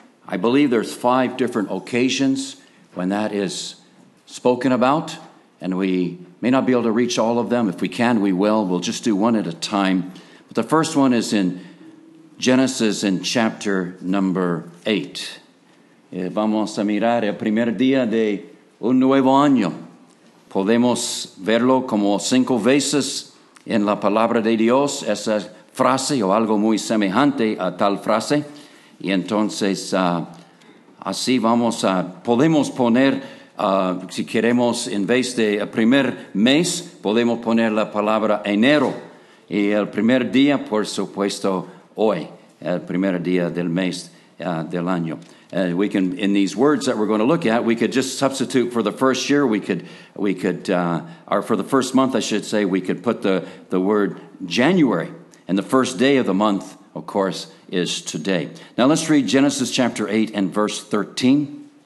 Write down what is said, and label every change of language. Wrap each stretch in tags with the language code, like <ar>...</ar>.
<en>I believe there's five different occasions when that is spoken about. And we may not be able to reach all of them. If we can, we will. We'll just do one at a time. But the first one is in Genesis in chapter number 8.</en> <es>Vamos a mirar el primer día de un nuevo año. Podemos verlo como cinco veces en la palabra de Dios, esa frase o algo muy semejante a tal frase. Y entonces así vamos a, podemos poner... Si queremos, en vez de primer mes, podemos poner la palabra enero. Y el primer día, por supuesto, hoy, el primer día del mes del año.</es> <en>We can, in these words that we're going to look at, we could just substitute for the first year. Or for the first month, I should say, we could put the word January. And the first day of the month, of course, is today. Now let's read Genesis chapter 8 and verse 13.</en>